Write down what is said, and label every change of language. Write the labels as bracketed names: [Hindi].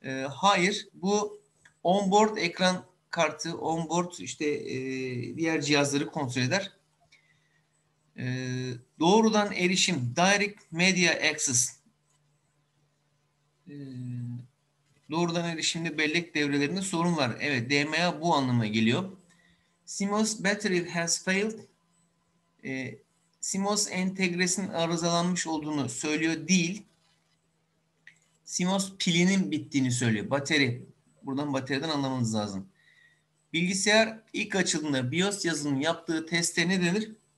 [Turkish] Hayır, bu onboard ekran kartı, onboard işte diğer cihazları kontrol eder. Doğrudan erişim, direct media access. Doğrudan erişimde bellek devrelerinde sorun var. Evet, DMA bu anlama geliyor. [English] CMOS battery has failed. [Turkish] CMOS entegresinin arızalanmış olduğunu söylüyor değil. CMOS pilinin bittiğini söylüyor. Bateri. Buradan bateriden anlamanız lazım. Bilgisayar ilk açıldığında BIOS yazılımının yaptığı teste ne denir?